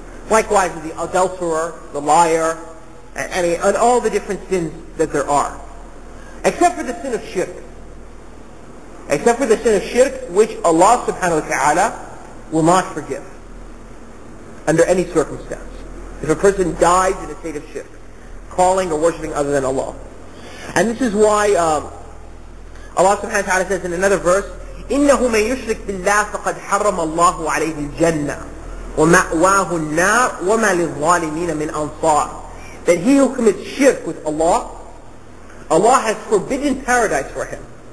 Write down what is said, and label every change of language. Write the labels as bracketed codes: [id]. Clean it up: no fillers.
[en] Likewise, the adulterer, the liar, and all the different sins that there are. Except for the sin of shirk. Except for the sin of shirk, which Allah subhanahu wa ta'ala will not forgive under any circumstance. If a person dies in a state of shirk, calling or worshipping other than Allah. And this is why Allah subhanahu wa ta'ala says in another verse, [ar] إِنَّهُ مَنْ يُشْرِكْ بِاللَّهِ فَقَدْ حَرَّمَ اللَّهُ عَلَيْهِ الْجَنَّةِ وَمَأْوَاهُ النَّارِ وَمَا لِلظَّالِمِينَ مِنْ أَنصَارٍ. [en] That he who commits shirk with Allah, Allah has forbidden paradise for him.